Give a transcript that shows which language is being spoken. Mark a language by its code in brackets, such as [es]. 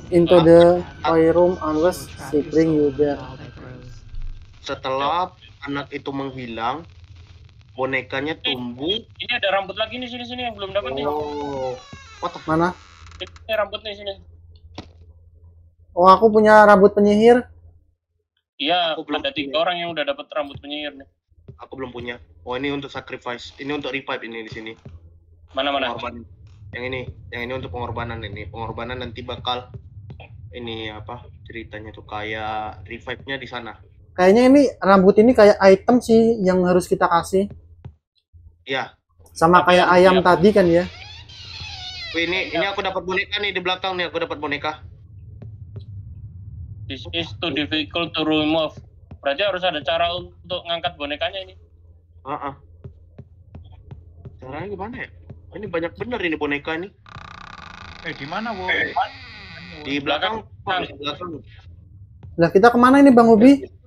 [en] You are allowed into the playroom unless she bring you there. [id] Setelah anak itu menghilang, bonekanya tumbuh. Ini ada rambut lagi nih sini yang belum dapat nih. Oh. Mana? Ini rambut nih sini. Oh, aku punya rambut penyihir. Iya, aku belum ada 3 orang yang udah dapat rambut penyihir nih. Aku belum punya. Oh, ini untuk sacrifice. Ini untuk revive ini di sini. Mana-mana? Yang ini untuk pengorbanan ini. Pengorbanan nanti bakal ini apa? Ceritanya tuh kayak revive-nya di sana. Kayaknya ini rambut ini kayak item sih yang harus kita kasih. Iya. Sama tapi kayak ayam ya. Tadi kan ya. Ini aku dapat boneka nih di belakang nih, aku dapat boneka. [en] This is too difficult to remove. [id] Berarti harus ada cara untuk ngangkat bonekanya ini. Heeh. Caranya gimana ya? Ini banyak bener ini boneka ini. Di mana, Bu? Di belakang. Lah kita kemana ini, Bang Ubi?